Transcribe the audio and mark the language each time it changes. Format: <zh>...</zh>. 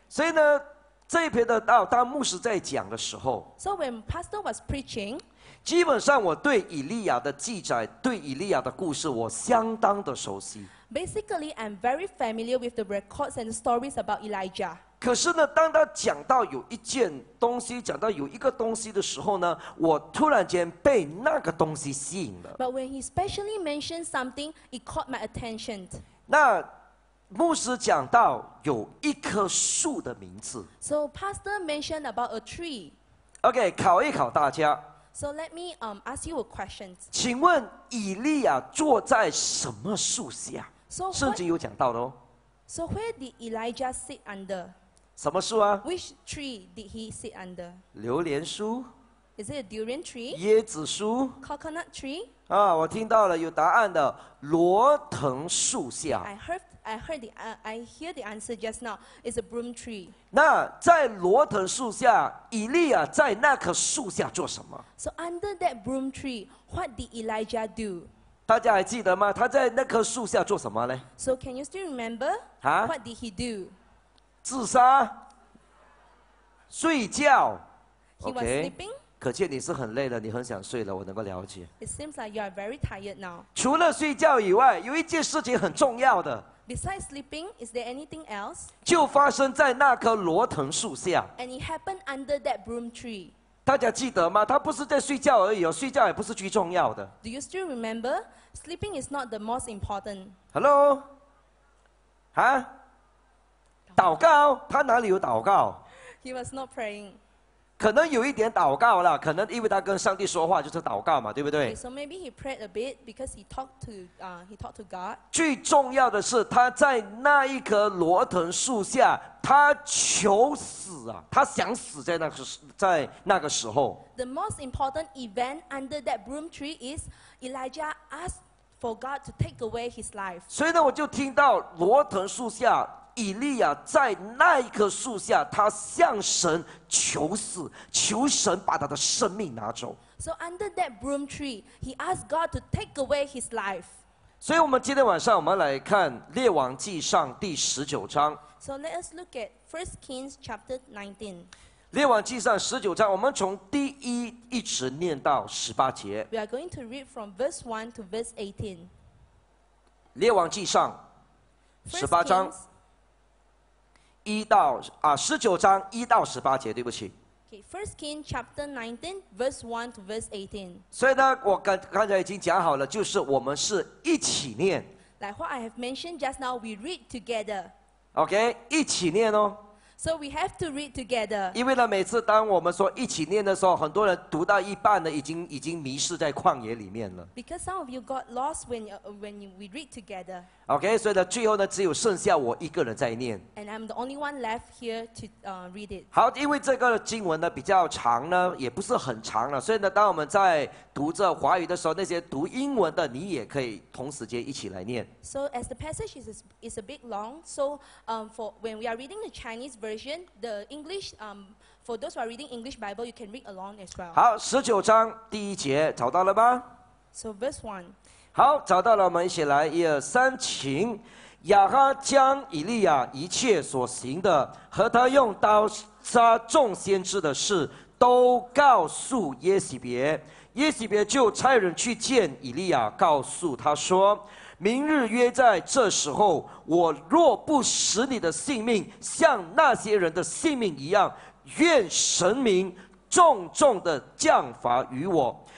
<zh>所以呢？这一篇的道，当牧师在讲的时候</zh> <en>，So when Pastor was preaching，</en> <zh>基本上我对以利亚的记载，对以利亚的故事，我相当的熟悉。</zh> <en>Basically, I'm very familiar with the records and stories about Elijah.</en> <zh>可是呢，当他讲到有一件东西，讲到有一个东西的时候呢，我突然间被那个东西吸引了。</zh> <en>But when he specially mentioned something, it caught my attention.</en> <zh>那牧师讲到有一棵树的名字。</zh> <en>So pastor mentioned about a tree.</en> <zh>Okay, 考一考大家。</zh> <en>So let me ask you a question.</en> <zh>请问以利亚坐在什么树下？</zh> <en>So</en> <zh>圣经有讲到的哦。</zh> <en>So where did Elijah sit under?</en> <zh>什么树啊？</zh> <en>Which tree did he sit under?</en> <zh>榴莲树。</zh> <en>Is it a durian tree?</en> <zh>椰子树。</zh> <en>Coconut tree?</en> <zh>啊，我听到了有答案的，罗藤树下。</zh> <en>I hear the answer just now. It's a broom tree.</en> <zh>那在罗藤树下，以利亚在那棵树下做什么</zh> <en>？So under that broom tree, what did Elijah do?</en> <zh>大家还记得吗？他在那棵树下做什么呢</zh> <en>？So can you still remember? Huh? What did he do?</en> <zh>自杀、睡觉。</zh> <en>He was sleeping.</en> <zh>可见你是很累了，你很想睡了，我能够了解。</zh> <en>It seems like you are very tired now.</en> <zh>除了睡觉以外，有一件事情很重要的。</zh> <en>Besides sleeping, is there anything else?</en> <zh>就发生在那棵罗藤树下。 And it happened under that broom tree. 大家记得吗？他不是在睡觉而已哦，睡觉也不是最重要的。</zh> <en>Do you still remember? Sleeping is not the most important.</en> <zh>Hello? 哈？祷告？他哪里有祷告？</zh> <en>He was not praying.</en> <zh>可能有一点祷告了，可能因为他跟上帝说话就是祷告嘛，对不对？</zh> <en>Okay, so maybe he prayed a bit because he talked to God.</en> <zh>最重要的是他在那一棵罗藤树下，他求死啊，他想死在那个时候。</zh> <en>The most important event under that broom tree is Elijah asked for God to take away his life.</en> <zh>所以呢，我就听到罗藤树下。以利亚在那一棵树下，他向神求死，求神把他的生命拿走。</zh> <en>So under that broom tree, he asked God to take away his life.</en> <zh>所以我们今天晚上我们来看《列王记上》第十九章。</zh> <en>So let us look at First Kings chapter 19.</en> <zh>列王记上十九章，我们从第一一直念到十八节。</zh> <en>We are going to read from verse 1 to verse 18.</en> <zh>列王记上十八章。一到啊，十九章一到十八节，对不起。</zh> <en>Okay, First Kings chapter 19, verse 1 to verse 18.</en> <zh>所以呢，我刚才已经讲好了，就是我们是一起念。</zh> <en>Like what I have mentioned just now, we read together.</en> <zh>Okay, 一起念哦。</zh> <en>So we have to read together.</en> <zh>因为呢，每次当我们说一起念的时候，很多人读到一半呢，已经迷失在旷野里面了。</zh> <en>Because some of you got lost when we read together.</en> <zh>Okay, 所以呢，最后呢，只有剩下我一个人在念。</zh> <en>And I'm the only one left here to read it.</en> <zh>好，因为这个经文呢比较长呢，也不是很长了，所以呢，当我们在读这华语的时候，那些读英文的你也可以同时间一起来念。</zh> <en>So as the passage is a bit long, so for when we are reading the Chinese version, the English for those who are reading English Bible, you can read along as well.</en> <zh>好，十九章第一节找到了吗</zh> <en>？So verse one.</en> <zh>好，找到了，我们一起来，一二三，请。亚哈将以利亚一切所行的和他用刀杀众先知的事都告诉耶洗别，耶洗别就差人去见以利亚，告诉他说，明日约在这时候，我若不使你的性命像那些人的性命一样，愿神明重重的降罚于我。</zh>